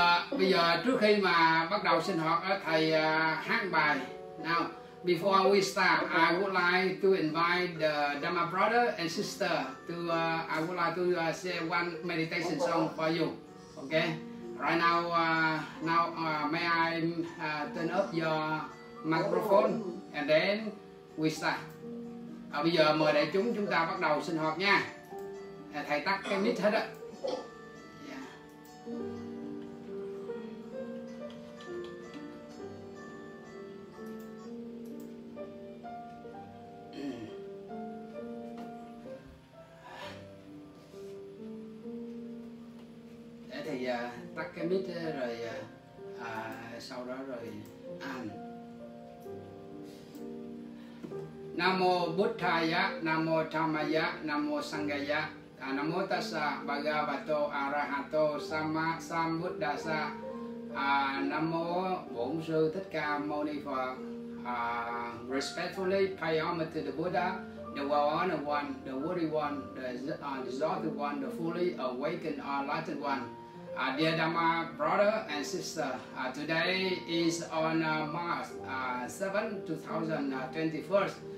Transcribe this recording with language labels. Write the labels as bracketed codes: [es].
[vi] bây giờ trước khi mà bắt đầu sinh hoạt thầy hát bài. [en] Now before we start, I would like to invite the Dharma brother and sister to I would like to say one meditation song for you. Okay. Right now may I turn up your microphone and then we start. [vi] Bây giờ mời đại chúng chúng ta bắt đầu sinh hoạt nha. Thầy tắt cái mic hết á. Để thầy tắt cái mic rồi sau đó rồi ăn. [pi] Nam mô Buddhaya, Nam mô Dhammaya, Nam mô Sanghaya. Namo tassa bhagavato arahato sammasambuddhassa. [vi] Namo Bổn Sư Thích Ca Mâu Ni Phật. [en] Respectfully pay homage to the Buddha, the well honored one, the worthy one, the exalted one, the fully awakened enlightened one. Dear Dhamma brother and sister, today is on March 7, 2021.